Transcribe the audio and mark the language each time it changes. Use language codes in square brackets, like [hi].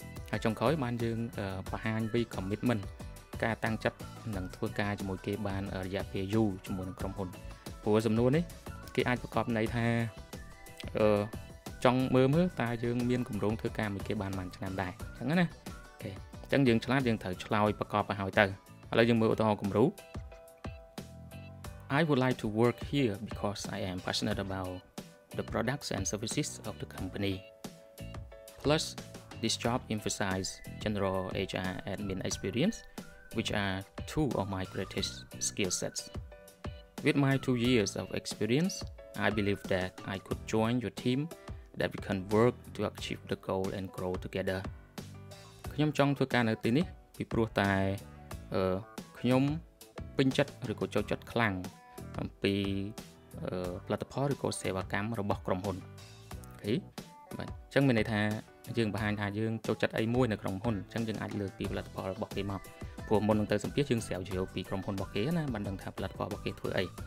[km] ហើយចុងក្រោយបានយើងបង្ហាញពី commitment ការតាំងចិត្តនឹងធ្វើការជាមួយគេបានរយៈពេលយូរជាមួយនឹងក្រុមហ៊ុនព្រោះសំណួរនេះគេអាចប្រកបន័យថាចង់មើលមើលតើយើងមានគម្រោងធ្វើការជាមួយគេបានប៉ុន្មានឆ្នាំដែរអញ្ចឹងណាអូខេអញ្ចឹងយើងឆ្លាតយើងត្រូវឆ្លើយប្រកបឲ្យទៅឥឡូវយើងមើលឧទាហរណ៍គំរូ [en] I would like to work here because I am passionate about the products and services of the company. Plus, this job emphasizes general HR admin experience, which are two of my greatest skill sets. With my 2 years of experience, I believe that I could join your team that we can work to achieve the goal and grow together. [km] ខ្ញុំចង់ធ្វើការនៅទីនេះពីព្រោះតែខ្ញុំពេញចិត្តឬក៏ចូលចិត្តខ្លាំងអំពីផលិតផលឬក៏សេវាកម្មរបស់ក្រុមហ៊ុនអូខេបាទអញ្ចឹងមានន័យថាយើងបង្ហាញថាយើងចូលចិត្តអីមួយនៅក្នុងក្រុមហ៊ុនអញ្ចឹងយើងអាចលើកពីផលិតផលរបស់គេមកព្រោះមុននឹងទៅសម្ភាសយើងស្រាវជ្រាវពីក្រុមហ៊ុនរបស់គេណាបានដឹងថាផលិតផលរបស់គេធ្វើអី